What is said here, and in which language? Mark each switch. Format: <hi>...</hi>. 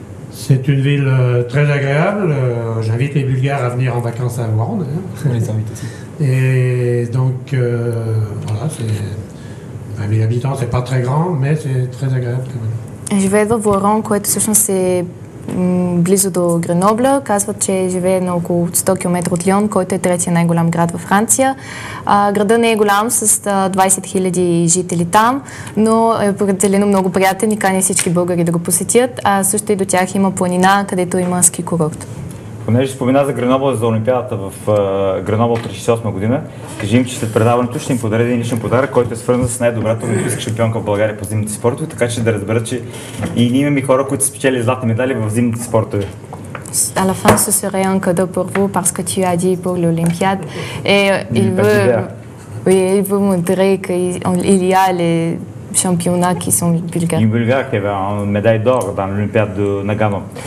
<fr>C'est une ville très agréable. J'invite les Bulgares à venir en vacances à Voiron. On les invite aussi. Et donc, voilà, c'est 20 000 habitants, c'est pas très grand, mais c'est très agréable quand même. Je vais à Voiron, qui est c'est</fr> <bg>близо до Гренобла. Казват, че живее на около 100 км от Лион, който е третия най-голям град във Франция. Града не е голям, с 20 000 жители там, но е определено много приятен и каня всички българи да го посетят. А също и до тях има планина, където има ски курорт. Понеже спомена за Гренобла, за Олимпиадата в Гренобла от 1968 година, кажи им, че след предаването ще им подаря един личен подарък, който е свързан с най-добрата олимпийска шампионка в България по зимните спортове, така че да разбера, че и ние имаме хора, които са спечели златни медали в зимните спортове.</bg> <fr>À la fin, ce serait un cadeau pour vous, parce que tu as dit pour l'Olympiade. Et il veut... Oui, il veut montrer qu'il y a les championnats qui sont bulgares. Une bulgare qui avait une médaille d'or dans l'Olympiade de Nagano.</fr>